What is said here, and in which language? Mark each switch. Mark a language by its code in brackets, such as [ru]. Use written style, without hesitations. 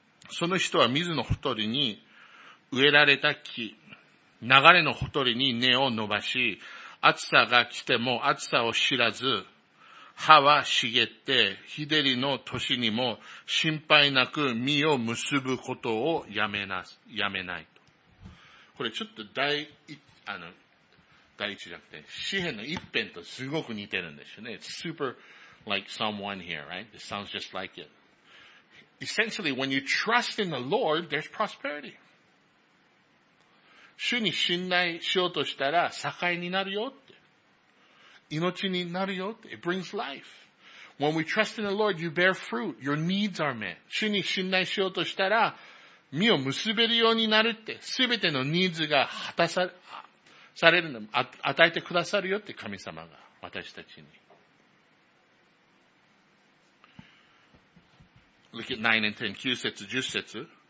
[ja] その人は水のほとりに、植えられた木、流れのほとりに根を伸ばし、暑さが来ても暑さを知らず、葉は茂って、日照りの年にも心配なく実を結ぶことをやめないと。これちょっと第一じゃなくて、詩編の一編とすごく似てるんですよね。 [en] It's super like someone here, right? It sounds just like it. Essentially, when you trust in the Lord, there's prosperity. 主に信頼しようとしたら、栄えになるよって。命になるよって。 It brings life. When we trust in the Lord, you bear fruit. Your needs are met. [ja] 主に信頼しようとしたら、実を結べるようになるって。すべてのニーズが果たされるの、与えてくださるよって神様が、私たちに。 [en] Look at 9 and 10, [ja] 9節、10節。